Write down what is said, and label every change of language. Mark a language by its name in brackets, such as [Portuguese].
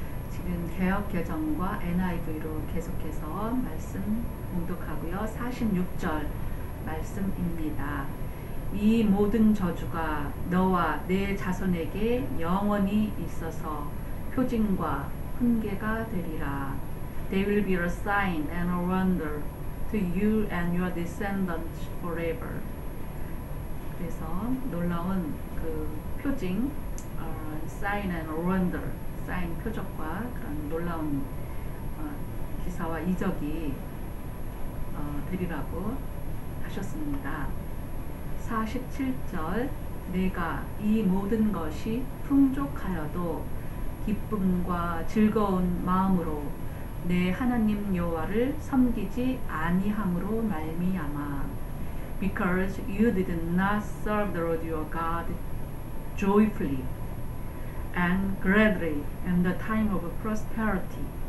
[Korean] 지금 개역개정과 NIV로 계속해서 말씀 공독하고요. 46절 말씀입니다. 이 모든 저주가 너와 내 자손에게 영원히 있어서 표징과 훈계가 되리라. [English] They will be a sign and a wonder to you and your descendants forever. [Korean] 그래서 놀라운 그 표징, [English] sign and wonder, [Korean] sign 표적과 그런 놀라운 기사와 이적이 되리라고 하셨습니다. 47절, 내가 이 모든 것이 풍족하여도 기쁨과 즐거운 마음으로 내 하나님 여호와를 섬기지 아니함으로 말미암아. [English] Because you did not serve the Lord your God joyfully and gladly in the time of prosperity.